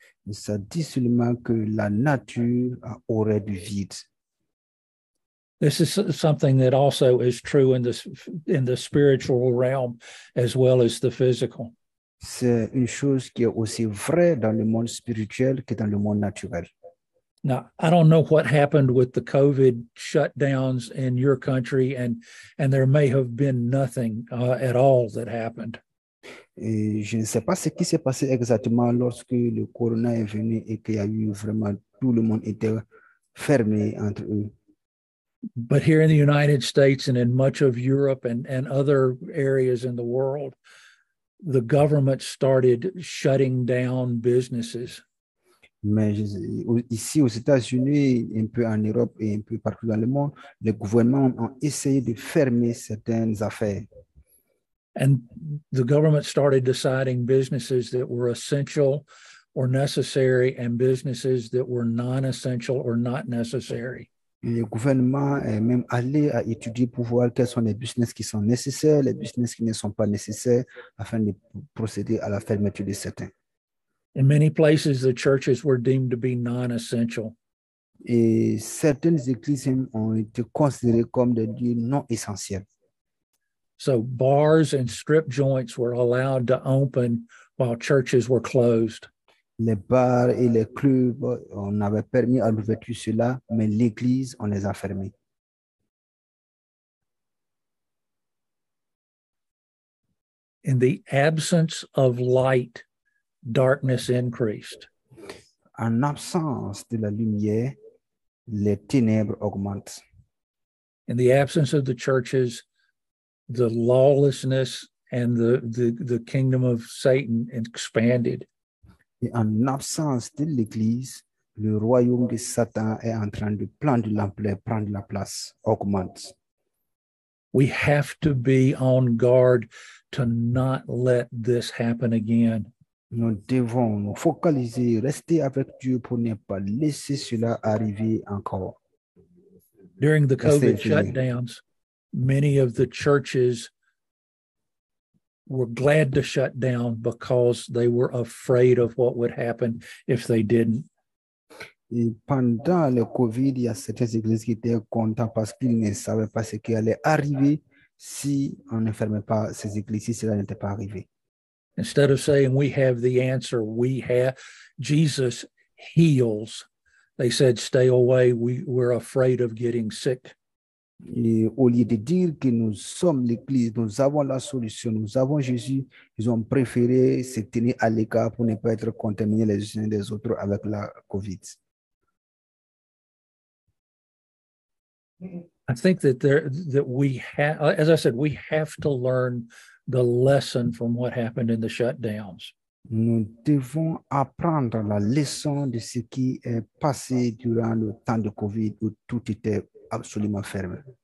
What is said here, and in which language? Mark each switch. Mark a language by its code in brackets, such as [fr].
[fr] Ça dit seulement que la nature aurait du vide. [en] This is something that also is true in the spiritual realm as well as the physical. [fr] C'est une chose qui est aussi vraie dans le monde spirituel que dans le monde naturel. [en] Now, I don't know what happened with the COVID shutdowns in your country, and there may have been nothing at all that happened. [fr] Et je ne sais pas ce qui s'est passé exactement lorsque le corona est venu et qu'il y a eu vraiment tout le monde était fermé entre eux. [en] But here in the United States and in much of Europe and other areas in the world, the government started shutting down businesses. [fr] Mais ici aux États-Unis, un peu en Europe et un peu partout dans le monde, les gouvernements ont essayé de fermer certaines affaires. [en] And the government started deciding businesses that were essential or necessary and businesses that were non-essential or not necessary. [fr] Et le gouvernement est même allé à étudier pour voir quels sont les business qui sont nécessaires, les business qui ne sont pas nécessaires afin de procéder à la fermeture de certains. [en] In many places, the churches were deemed to be non-essential. [fr] Et certaines églises ont été considérées comme des lieux non essentiels. [en] So bars and strip joints were allowed to open while churches were closed. [fr] Les bars et les clubs, on avait permis à l'ouverture cela, mais l'église, on les a fermés. [en] In the absence of light, darkness increased. [fr] En absence de la lumière, les ténèbres augmentent. [en] In the absence of the churches, the lawlessness and the kingdom of Satan expanded. [fr] Et en absence de l'Église, le royaume de Satan est en train de prendre l'ampleur, prendre la place, augmente. [en] We have to be on guard to not let this happen again. [fr] Nous devons nous focaliser, rester avec Dieu pour ne pas laisser cela arriver encore. [en] During the COVID shutdowns, many of the churches were glad to shut down because they were afraid of what would happen if they didn't. [fr] Et pendant le COVID, il y a certaines églises qui étaient contentes parce qu'ils ne savaient pas ce qui allait arriver si on ne fermait pas ces églises, si cela n'était pas arrivé. [en] Instead of saying we have the answer, we have Jesus heals. They said, stay away, we're afraid of getting sick. [fr] Et au lieu de dire que nous sommes l'Église, nous avons la solution, nous avons Jésus, ils ont préféré se tenir à l'écart pour ne pas être contaminés les uns des autres avec la COVID. [en] I think that we have to learn the lesson from what happened in the shutdowns. [fr] Nous devons apprendre la leçon de ce qui est passé durant le temps de COVID où tout était absolument ferme.